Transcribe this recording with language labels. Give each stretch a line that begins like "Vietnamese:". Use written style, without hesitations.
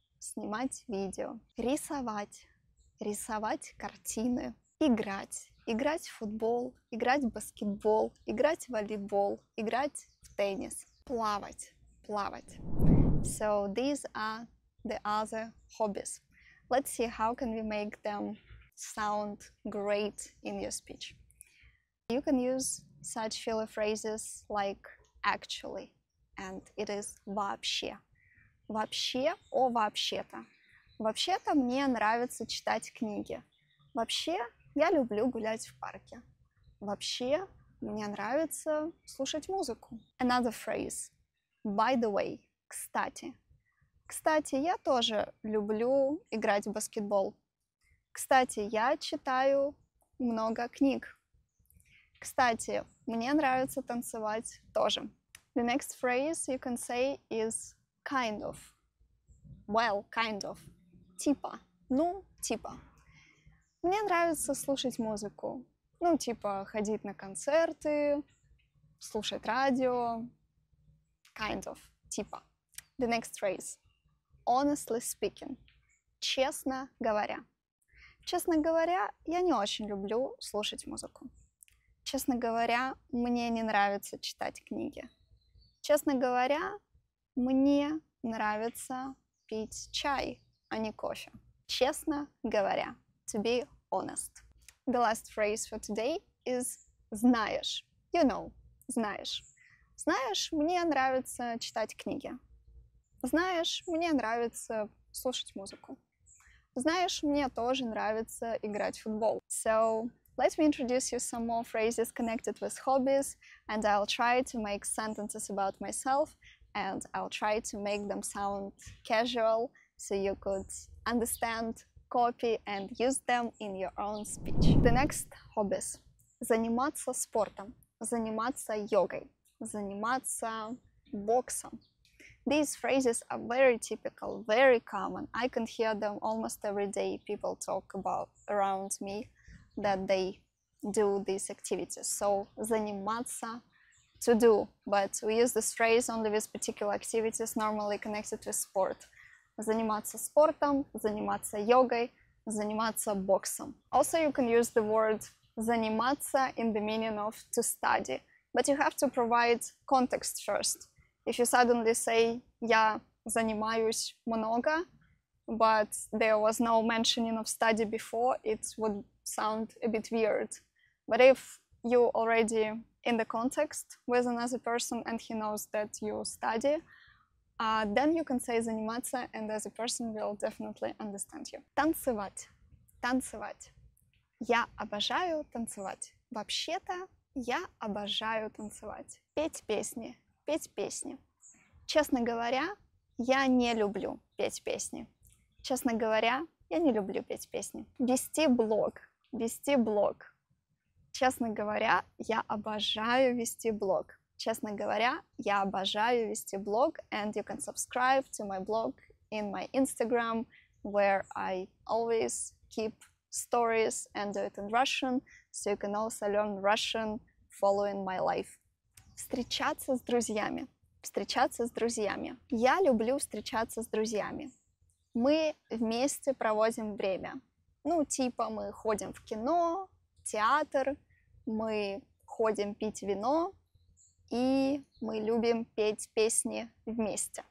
Russian: Снимать видео, рисовать, рисовать картины, играть, играть в футбол, играть в баскетбол, играть в волейбол, играть в теннис, плавать, плавать.
English: So these are the other hobbies. Let's see how can we make them sound great in your speech. You can use such filler phrases like actually, and it is вообще.
Russian: Вообще о вообще-то. Вообще-то мне нравится читать книги. Вообще я люблю гулять в парке. Вообще мне нравится слушать музыку.
English: Another phrase. By the way. Кстати.
Russian: Кстати, я тоже люблю играть в баскетбол. Кстати, я читаю много книг. Кстати, мне нравится танцевать тоже.
English: The next phrase you can say is kind of. Well, kind of.
Russian: Типа. Ну, типа. Мне нравится слушать музыку. Ну, типа, ходить на концерты, слушать радио.
English: Kind of.
Russian: Типа.
English: The next phrase. Honestly speaking.
Russian: Честно говоря. Честно говоря, я не очень люблю слушать музыку. Честно говоря, мне не нравится читать книги. Честно говоря, мне нравится пить чай, а не кофе. Честно говоря.
English: To be honest. The last phrase for today is знаешь. You know. Знаешь.
Russian: Знаешь, мне нравится читать книги. Знаешь, мне нравится слушать музыку. Знаешь, мне тоже нравится играть в футбол.
English: So, let me introduce you some more phrases connected with hobbies, and I'll try to make sentences about myself, and I'll try to make them sound casual, so you could understand, copy, and use them in your own speech. The next hobbies.
Russian: Заниматься спортом. Заниматься йогой. Заниматься боксом.
English: These phrases are very typical, very common. I can hear them almost every day. People talk about around me that they do these activities. So, заниматься, to do. But we use this phrase only with particular activities normally connected to sport.
Russian: Заниматься спортом, заниматься йогой, заниматься боксом.
English: Also, you can use the word заниматься in the meaning of to study. But you have to provide context first. If you suddenly say,
Russian: я занимаюсь много,
English: but there was no mentioning of study before, it would sound a bit weird. But if you already in the context with another person and he knows that you study, then you can say заниматься, and as a person will definitely understand you.
Russian: Танцевать. Танцевать. Я обожаю танцевать. Вообще-то, я обожаю танцевать. Петь песни. Петь песни. Честно говоря, я не люблю петь песни. Честно говоря, я не люблю петь песни. Вести блог. Вести блог. Честно говоря, я обожаю вести блог. Честно говоря, я обожаю вести блог.
English: And you can subscribe to my blog in my Instagram, where I always keep stories and do it in Russian, so you can also learn Russian following my life.
Russian: Встречаться с друзьями. Встречаться с друзьями. Я люблю встречаться с друзьями. Мы вместе проводим время. Ну, типа, мы ходим в кино, в театр, мы ходим пить вино, и мы любим петь песни вместе.